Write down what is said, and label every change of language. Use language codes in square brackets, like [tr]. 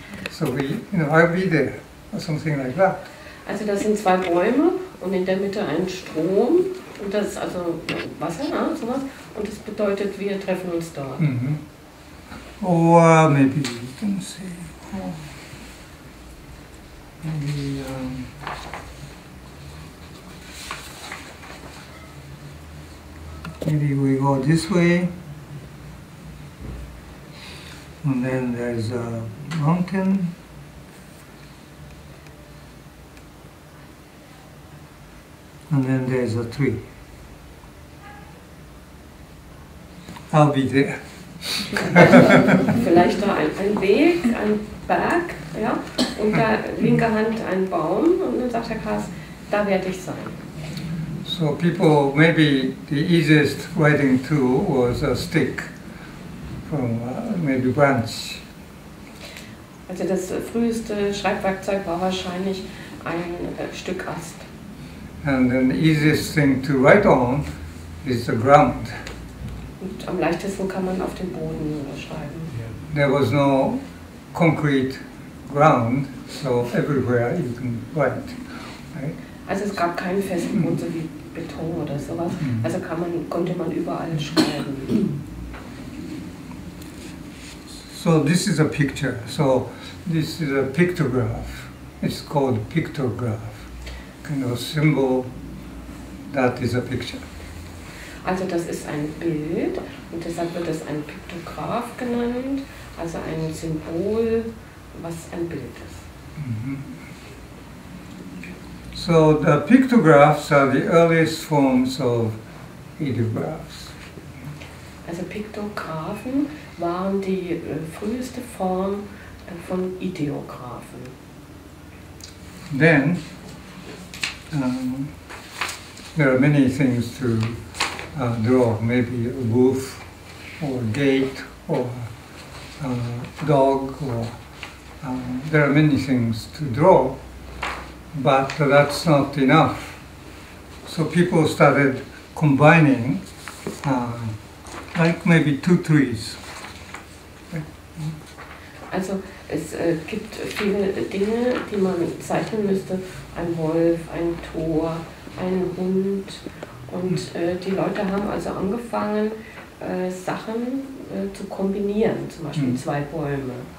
[en] So we, I'll be there, or something like that. [de] Also das sind zwei Bäume und in der Mitte ein Strom. Und das ist also Wasser, ne? So was. Und das bedeutet, wir treffen uns dort. Mm-hmm. [en] Or maybe you can see. Oh. Maybe, maybe we go this way. And then there's a mountain. And then there's a tree. I'll be there. [de] Vielleicht da ein Weg, ein Berg, ja, und da linker Hand ein Baum, und dann sagt der Kass, da werde ich sein. [en] So people, maybe the easiest writing tool was a stick from maybe branch. [de] Also das früheste Schreibwerkzeug war wahrscheinlich ein Stück Ast. [en] And the easiest thing to write on is the ground. [de] Und am leichtesten kann man auf dem Boden schreiben. Yeah. [en] There was no concrete ground, so everywhere you can write. Right? [de] Also es gab keinen festen Boden, so wie Beton oder sowas. Mm. Also konnte man überall schreiben. [en] So this is a picture. So this is a pictograph. It's called pictograph. Kind of a symbol that is a picture. [de] Also das ist ein Bild und deshalb wird es ein Piktograph genannt, also ein Symbol, was ein Bild ist. Mm-hmm. [en] So the pictographs are the earliest forms of ideographs. [de] Also Piktographen waren die früheste Form von Ideographen. [en] Then there are many things to draw, maybe a wolf, or gate or dog or there are many things to draw, but that's not enough. So people started combining like maybe two trees. [de] Also es gibt viele Dinge, die man zeichnen müsste. Ein Wolf, ein Tor, ein Hund. Und die Leute haben also angefangen, Sachen zu kombinieren, zum Beispiel zwei Bäume.